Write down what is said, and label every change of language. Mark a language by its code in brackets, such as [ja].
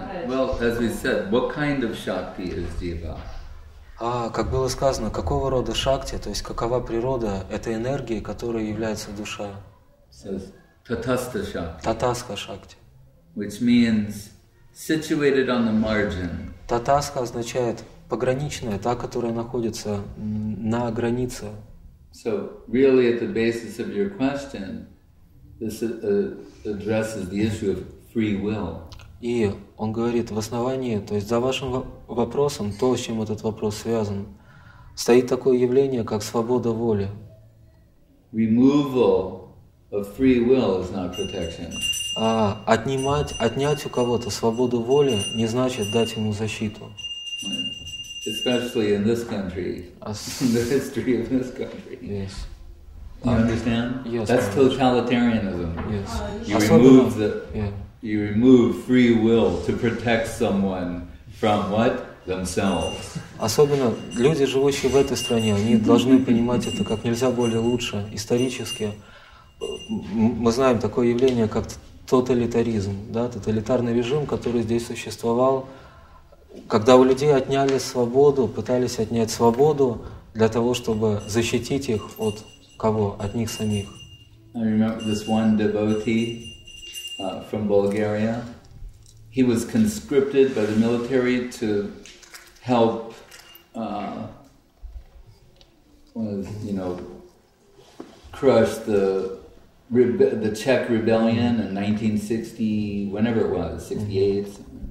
[en] Well, as we said, what kind of Shakti is Jiva? [ru] Как было сказано, какого рода Шакти, то есть какова природа этой энергии, которой является душа? [en] Says tatastha shakti. Tatastha shakti. Which means situated on the margin. [ru] Tatastha означает пограничная, та, которая находится на границе. [en] So really at the basis of your question, this addresses the issue of free will. [ru] И он говорит, в основании, то есть за вашим вопросом, то, с чем этот вопрос связан, стоит такое явление, как свобода воли. [en] Removal of free will is not protection. [ru] Отнять у кого-то свободу воли не значит дать ему защиту. [en] Especially in this country, the history of this country. Yes. You understand? Yes. That's totalitarianism. Yes. You remove free will to protect someone from what? Themselves. [ru] Особенно люди, живущие в этой стране, они должны понимать это как нельзя более лучше исторически. мы знаем такое явление, как тоталитаризм, да, тоталитарный режим, который здесь существовал, когда у людей отняли свободу, пытались отнять свободу для того, чтобы защитить их от кого? От них самих. [en] I remember this one devotee from Bulgaria. He was conscripted by the military to help, crush the Czech rebellion in 1960, whenever it was, 68.